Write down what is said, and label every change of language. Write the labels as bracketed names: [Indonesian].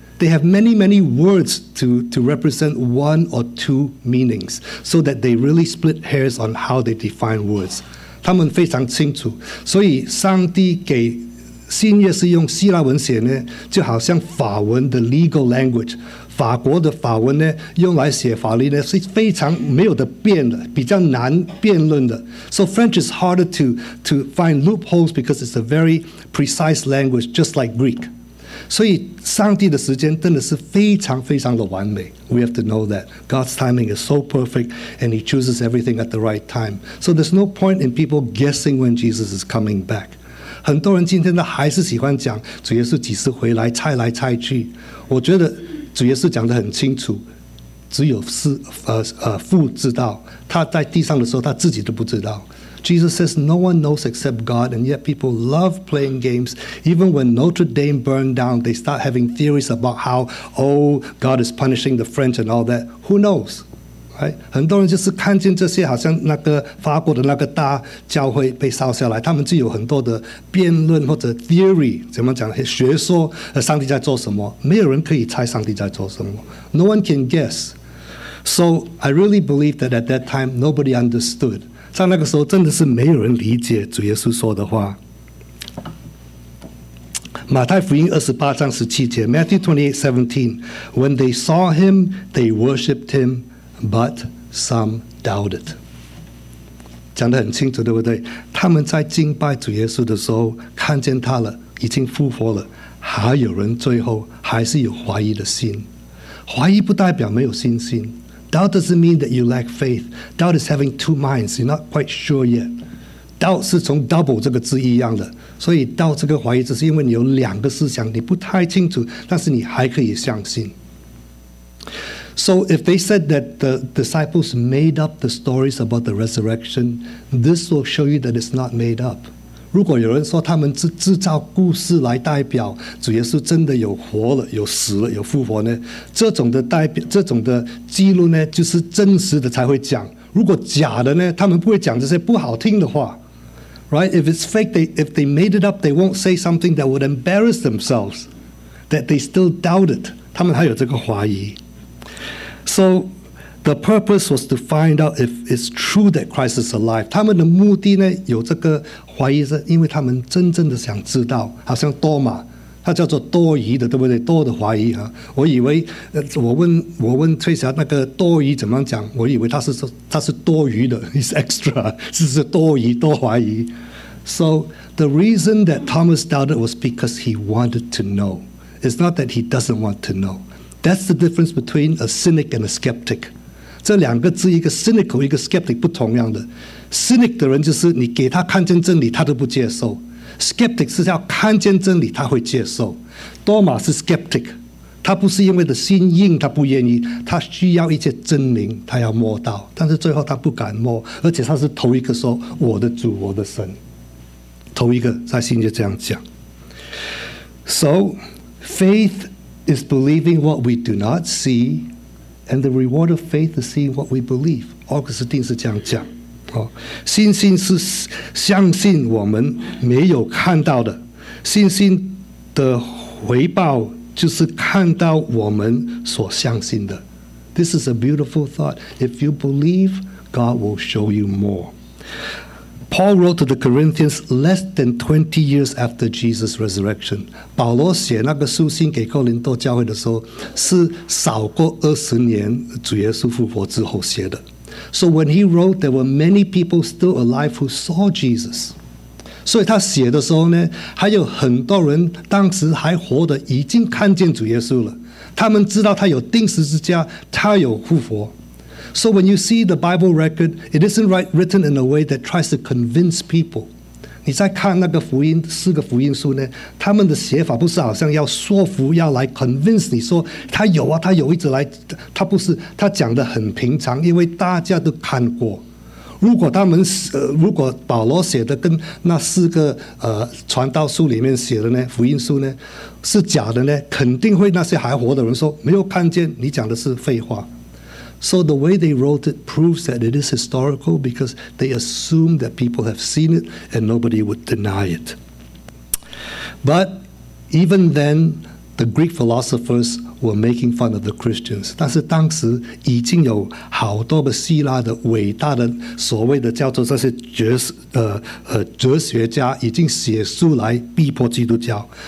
[English] They have many many words to represent one or two meanings, so that they really split hairs on how they define words. [Chinese] 他们非常清楚，所以上帝给新约是用希腊文写呢，就好像法文的 [English] legal language， [Chinese] 法国的法文呢用来写法律呢是非常没有的变的，比较难辩论的。 [English] So French is harder to find loopholes because it's a very precise language, just like Greek. [Chinese] 所以上帝的时间真的是非常非常的完美。 [English] We have to know that God's timing is so perfect and he chooses everything at the right time. So there's no point in people guessing when Jesus is coming back. [Chinese] 很多人今天都还是喜欢讲主耶稣几时回来，猜来猜去。我觉得主耶稣讲得很清楚，只有父知道，他在地上的时候他自己都不知道。 [English] Jesus says no one knows except God, and yet people love playing games. Even when Notre Dame burned down, they start having theories about how, oh, God is punishing the French and all that. Who knows? Right? [Chinese] 很多人就是看见这些，好像那个法国的那个大教会被烧下来，他们就有很多的辩论或者 theory， 怎么讲，学说上帝在做什么，没有人可以猜上帝在做什么。 [English] No one can guess. So I really believe that at that time, nobody understood. [Chinese] 在那个时候真的是没有人理解主耶稣说的话。马太福音28:17 [English] Matthew 28:17 When they saw him, they worshipped him, but some doubted. [Chinese] 讲得很清楚，对不对？他们在敬拜主耶稣的时候看见他了，已经复活了，还有人最后还是有怀疑的心。怀疑不代表没有信心。 [English] Doubt doesn't mean that you lack faith. Doubt is having two minds. You're not quite sure yet. [Chinese] Doubt 是从 double 这个字一样的，所以 doubt 这个怀疑，只是因为你有两个思想，你不太清楚，但是你还可以相信。 [English] So if they said that the disciples made up the stories about the resurrection, this will show you that it's not made up. [Chinese] 如果有人说他们是制造故事来代表主耶稣真的有活了、有死了、有复活呢？这种的代表、这种的记录呢，就是真实的才会讲。如果假的呢，他们不会讲这些不好听的话 [English] ，right? If it's fake, if they made it up, they won't say something that would embarrass themselves. That they still doubted. [Chinese] 他们还有这个怀疑。 [English] So. The purpose was to find out if it's true that Christ is alive. [Chinese] 他们的目的呢，有这个怀疑是因为他们真正的想知道，好像多嘛，他叫做多疑的，对不对？多的怀疑啊。我以为，我问崔霞那个多疑怎么讲，我以为他是多余的 ， [English] is extra， [Chinese] 是多疑多怀疑。 [English] So the reason that Thomas doubted was because he wanted to know. It's not that he doesn't want to know. That's the difference between a cynic and a skeptic. [Chinese] 这两个字，一个 cynical， 一个 skeptic， 不同样的。cynic 的人就是你给他看见真理，他都不接受 ；skeptic 是要看见真理，他会接受。多马是 skeptic， 他不是因为的心硬，他不愿意，他需要一些证明，他要摸到，但是最后他不敢摸，而且他是头一个说我的主，我的神，头一个在心就这样讲。 [English] So faith is believing what we do not see. And the reward of faith is seeing what we believe. [Chinese] Augustine 是这样讲，哦，信心是相信我们没有看到的，信心的回报就是看到我们所相信的。 [English] This is a beautiful thought. If you believe, God will show you more. Paul wrote to the Corinthians less than 20 years after Jesus' resurrection. [Chinese] 保罗写那个书信给哥林多教会的时候是少过20年主耶稣复活之后写的。 [English] So when he wrote, there were many people still alive who saw Jesus. [Chinese] 所以他写的时候呢，还有很多人当时还活的已经看见主耶稣了。他们知道他有钉十字架，他有复活。 [English] So when you see the Bible record, it isn't written in a way that tries to convince people. [Chinese] 你在看那个福音，四个福音书呢，他们的写法不是好像要说服，要来 convince 你说他有啊，他有一直来，他不是，他讲得很平常，因为大家都看过。如果他们，如果保罗写的跟那四个传道书里面写的呢，福音书呢，是假的呢，肯定会那些还活的人说，没有看见，你讲的是废话。 [English] So the way they wrote it proves that it is historical because they assume that people have seen it and nobody would deny it. But even then, the Greek philosophers were making fun of the Christians. [Chinese] 但是当时已经有好多的希腊的伟大的所谓的叫做这些哲学家已经写书来逼迫基督教。